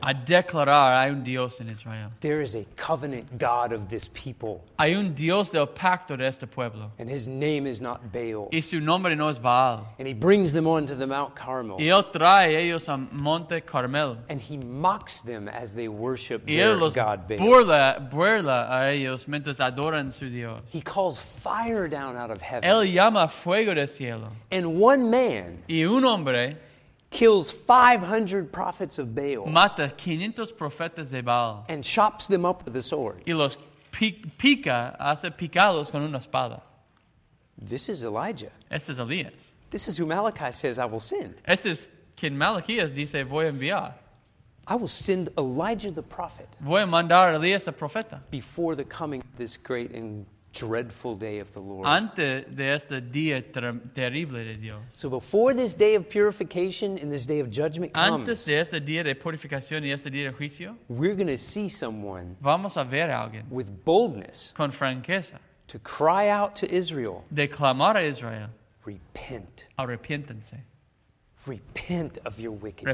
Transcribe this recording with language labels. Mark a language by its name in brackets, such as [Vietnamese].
[Spanish] A declarar hay un Dios en Israel. [English] There is a covenant God of this people. [Spanish] Hay un Dios del pacto de este pueblo. [English] And his name is not Baal. [Spanish] Y su nombre no es Baal. [English] And he brings them on to the Mount Carmel. [Spanish] Y él trae ellos a Monte Carmel. [English] And he mocks them as they worship [Spanish] y él [English] their God Baal. [Spanish] Burla a ellos mientras adoran su Dios. [English] He calls fire down out of heaven. [Spanish] Él llama fuego del cielo. [English] And one man. [Spanish] Y un hombre. [English] Kills 500 prophets of Baal. [Spanish] Mata 500 profetas de Baal. [English] And chops them up with a sword. [Spanish] Y los pica, hace picarlos con una espada. [English] This is Elijah. [Spanish] Este es Elías. [English] This is who Malachi says, I will send. [Spanish] Este es quien Malaquías dice, voy a enviar. [English] I will send Elijah the prophet. [Spanish] Voy a mandar a Elías el profeta. [English] Before the coming of this great and dreadful day of the Lord. [Spanish] Ante de este día terrible de Dios. [English] So before this day of purification and this day of judgment comes. [Spanish] Antes de este día de purificación y este día de juicio. [English] We're going to see someone. [Spanish] Vamos a ver a alguien. [English] With boldness. [Spanish] Con franqueza. [English] To cry out to Israel. [Spanish] De clamar a Israel. [English] Repent. [Spanish] Arrepiéntense. [English] Repent of your wickedness.